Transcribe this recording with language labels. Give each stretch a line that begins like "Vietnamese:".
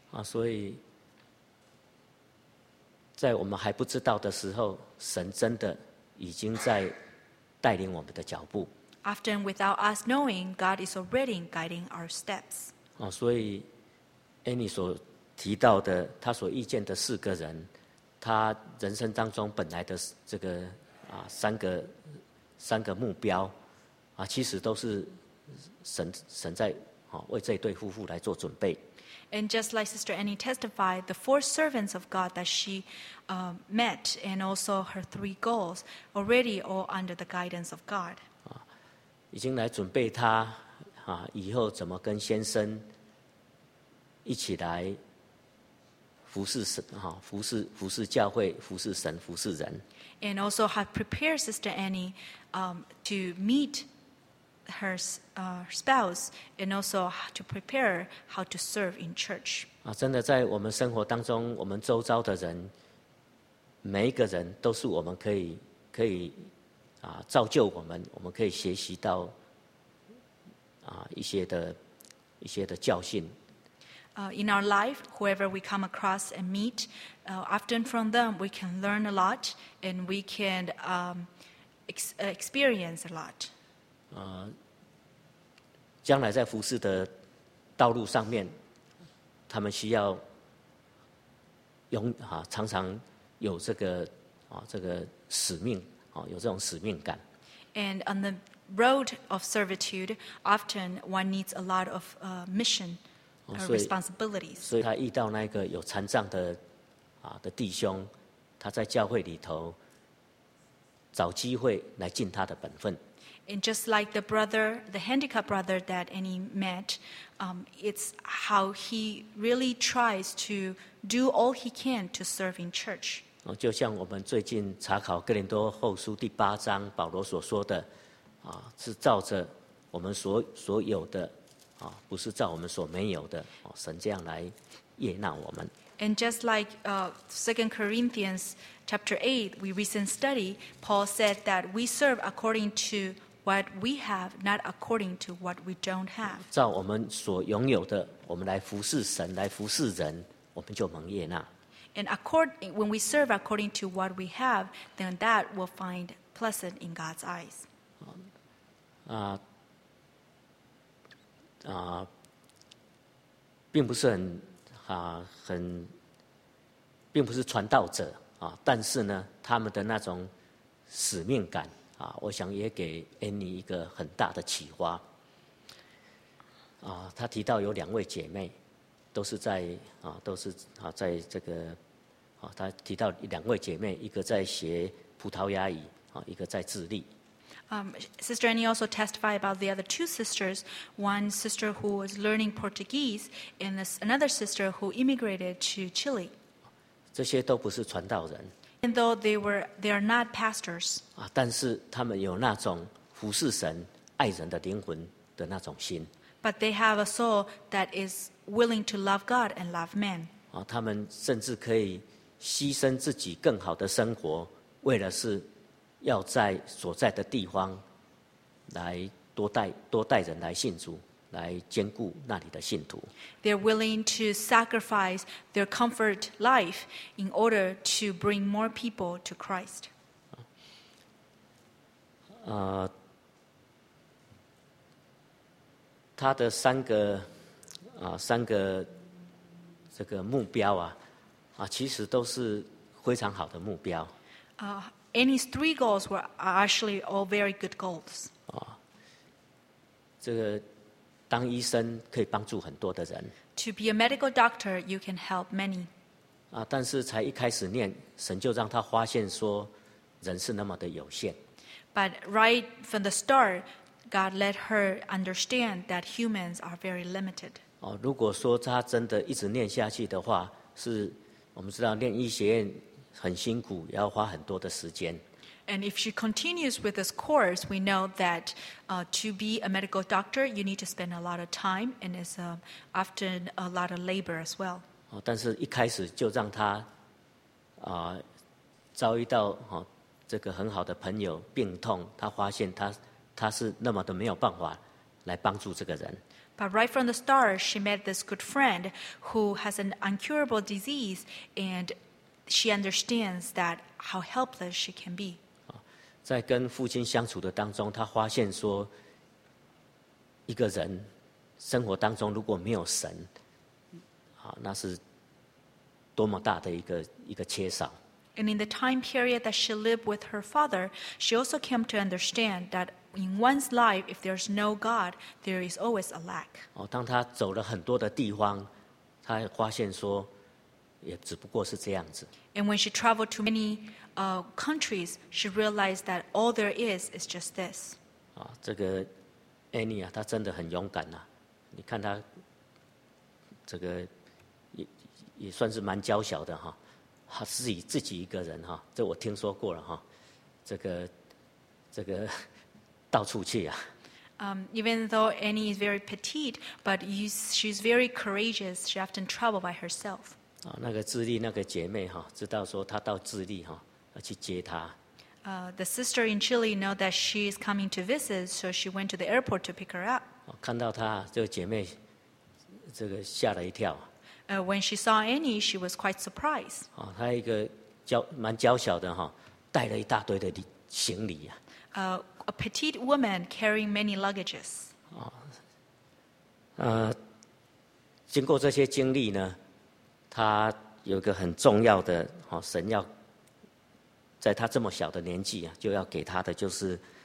Chinese: 所以在我们还不知道的时候，神真的已经在带领我们的脚步。
English: Often without us knowing, God is already guiding our steps.
Chinese: 所以 Annie 所提到的他所遇见的四个人，他人生当中本来的这个三个目标其实都是神在为这对夫妇来做准备。
English: And just like Sister Annie testified, the four servants of God that she met and also her three goals already all under the guidance of God.
Chinese: 已经来准备他以后怎么跟先生一起来服侍神，服侍教会，服侍神，服侍人。
English: And also have prepared Sister Annie, to meet her spouse, and also to prepare how to serve in church.
Chinese: 真的在我们生活当中，我们周遭的人，每一个人都是我们可以造就我们可以学习到一些的教训。
English: In our life, whoever we come across and meet, often from them we can learn a lot and we can experience a lot.
Chinese: 将来在服事的道路上面，他们需要常常有这个使命，有这种使命感。
English: And on the road of servitude, often one needs a lot of mission responsibilities.
Chinese: 所以他遇到那个有残障 的弟兄，他在教会里头找机会来尽他的本分。
English: And just like the brother, the handicapped brother that Annie met, it's how he really tries to do all he can to serve in church.
Chinese: 就像我们最近查考哥林多后书第八章保罗所说的，是照着我们所有的，不是照我们所没有的，神这样来悦纳我们。
English: And just like 2 Corinthians chapter 8, we recent study, Paul said that we serve according to what we have, not according to what we don't have.
Chinese: 照我们所拥有的，我们来服侍神，来服侍人，我们就蒙悦纳。
English: And when we serve according to what we have, then that will find pleasant in God's eyes.
Chinese: 并不是很并不是传道者但是呢，他们的那种使命感我想也给 Annie 一个很大的启发他提到有两位姐妹，都是在在这个他提到两位姐妹，一个在学葡萄牙语一个在智利。
English: Sister Annie also testified about the other two sisters, one sister who was learning Portuguese and another sister who immigrated to Chile.
Chinese: 这些都不是传道人。
English: And though they are not pastors.
Chinese: 但是他们有那种服侍神、爱人的灵魂的那种心。
English: But they have a soul that is willing to love God and love man.
Chinese: 他们甚至可以牺牲自己更好的生活，为了是要在所在的地方来多带人来信主，来兼顾那里的信徒。
English: They're willing to sacrifice their comfort life in order to bring more people to Christ.
Chinese: 他的三个这个目标其实都是非常好的目标。
English: Annie's three goals were actually all very good goals.
Chinese: 这个当医生可以帮助很多的人。
English: To be a medical doctor, you can help many.
Chinese: 但是才一开始念，神就让他发现说，人是那么的有限。
English: But right from the start, God let her understand that humans are very limited.
Chinese: 如果说他真的一直念下去的话，是我们知道念医学院很辛苦，也要花很多的时间。
English: And if she continues with this course, we know that to be a medical doctor, you need to spend a lot of time and it's often a lot of labor as well.
Chinese: 但是一开始就让她遭遇到这个很好的朋友病痛，她发现她是那么的没有办法来帮助这个人。
English: But right from the start, she met this good friend who has an incurable disease and she understands that how helpless she can be.
Chinese: 在跟父亲相处的当中，她发现说，一个人生活当中如果没有神，那是多么大的一个缺少。
English: And in the time period that she lived with her father, she also came to understand that in one's life, if there's no God, there is always a lack.
Chinese: 当她走了很多的地方，她发现说，也只不过是这样子。
English: And when she traveled to many countries, she realized that all there is just this.
Chinese: 这个 Annie 她真的很勇敢你看她这个 也算是蛮娇小的她自己一个人这我听说过了这个到处去
English: Even though Annie is very petite, but she's very courageous. She often travels by herself.
Chinese: 那个智利那个姐妹知道说她到智利去接她。
English: The sister in Chile know that she is coming to visit, so she went to the airport to pick her up.
Chinese: 看到她这个姐妹，这个吓了一跳。
English: When she saw Annie, she was quite surprised.
Chinese: 她一个蛮娇小的带了一大堆的行李
English: A petite woman carrying many luggages.
Chinese: 经过这些经历呢，她有一个很重要的神要在她这么小的年纪就要给她的，就是